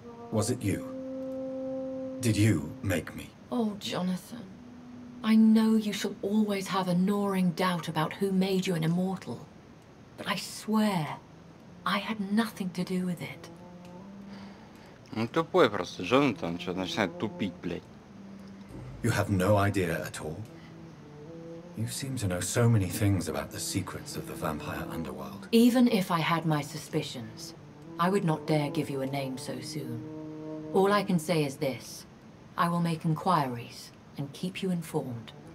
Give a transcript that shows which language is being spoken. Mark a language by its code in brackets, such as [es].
[en] Was it you? Did you make me? Oh, Jonathan. I know you shall always have a gnawing doubt about who made you an immortal. But I swear, I had nothing to do with it. [ru] Ну тупой просто, Джонатан, что начинает тупить, блядь. [en] You have no idea at all. You seem to know so many things about the secrets of the vampire underworld. Even if I had my suspicions, I would not dare give you a name so soon. All I can say is this. I will make inquiries and keep you informed.